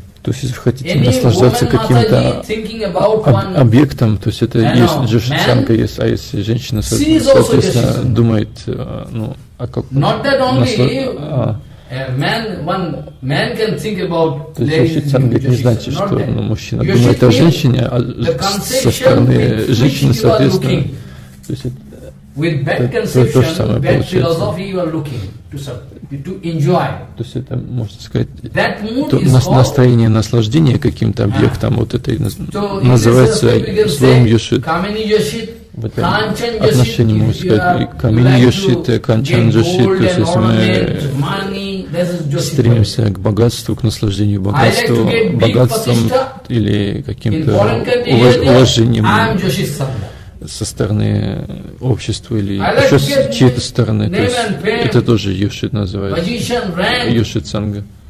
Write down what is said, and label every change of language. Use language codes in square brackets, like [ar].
[ru] То есть, если вы хотите наслаждаться каким-то объектом, то есть, это есть Yoshi Sangha, а если женщина, соответственно, думает, ну, о каком... [en] Not that only, man can think about. [ru] То есть Йошит Санга не значит, что ну, мужчина думает о женщине, а со стороны женщины, соответственно. То есть, [en] With bad conception, bad philosophy, you are looking to serve, to enjoy. [ru] То есть это можно сказать, [en] that mood is called, [ru] настроение наслаждения каким-то объектом, вот это и называется словом йошит. В этом отношении можно сказать, камини йошит, канчан йошит, то есть если мы стремимся к богатству, к наслаждению богатству, богатством или каким-то уважением со стороны общества или еще с чьей-то стороны, то есть это тоже йошит называется, йошит санга.